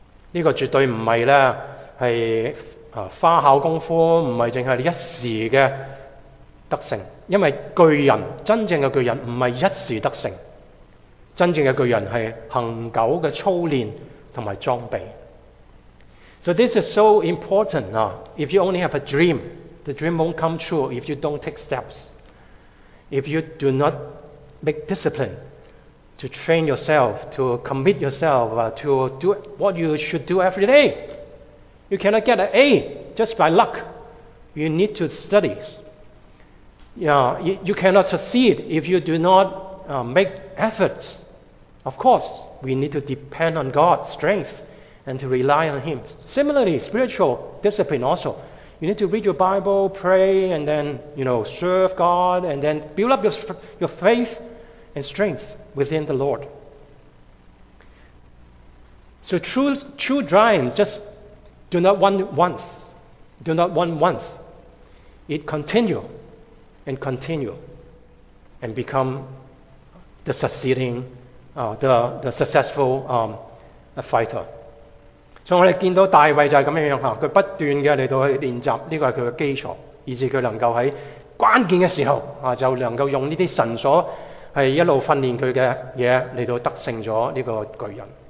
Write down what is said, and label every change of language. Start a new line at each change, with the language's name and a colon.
Chinese: 这个绝对不 是花巧功夫，不是只是一时的得胜，因为巨人，真正的巨人不是一时得胜，真正的巨人是恒久的操练和装备。
English: So this is so important. If you only have a dream, the dream won't come true if you don't take steps. If you do not make discipline to train yourself, to commit yourself, to do what you should do every day, you cannot get an A just by luck. You need to study. You cannot succeed if you do not make efforts. Of course. We need to depend on God's strength and to rely on Him. Similarly, spiritual discipline also. You need to read your Bible, pray, and then, you know, serve God, and then build up your faith and strength within the Lord. So true drive, just do not want once. Do not want once. It continue and continue and become the succeeding person. The successful fighter.
Chinese: 所以我们看到大卫就是这样，他不断地来到去练习，这个是他的基础，以致他能够在关键的时候就能够用这些神所一路训练他的东西来到得胜了这个巨人。